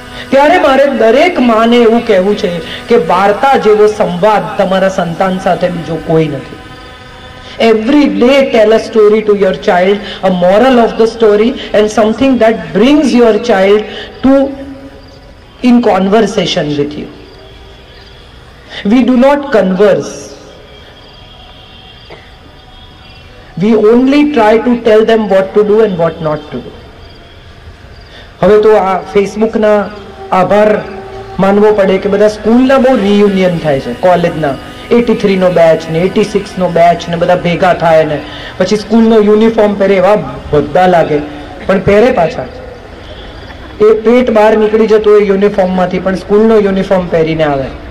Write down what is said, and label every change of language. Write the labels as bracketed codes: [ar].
[gu] ત્યારે મારે દરેક માને એવું કહેવું છે કે વાર્તા જેવો સંવાદ તમારા સંતાન સાથે બીજો કોઈ નથી. [en] Every day tell a story to your child, a moral of the story and something that brings your child to in conversation with you. We do not converse, we only try to tell them what to do and what not to do. [gu] હવે તો આ ફેસબુકના આભાર માનવો પડે કે બધા સ્કૂલના બહુ રિયુનિયન થાય છે, કોલેજના 83નો બેચ ને 86નો બેચ ને બધા ભેગા થાય, ને પછી સ્કૂલનો યુનિફોર્મ પહેરે એવા બધા લાગે, પણ પહેરે પાછા એ પેટ બહાર નીકળી જતું હોય યુનિફોર્મમાંથી, પણ સ્કૂલનો યુનિફોર્મ પહેરીને આવે.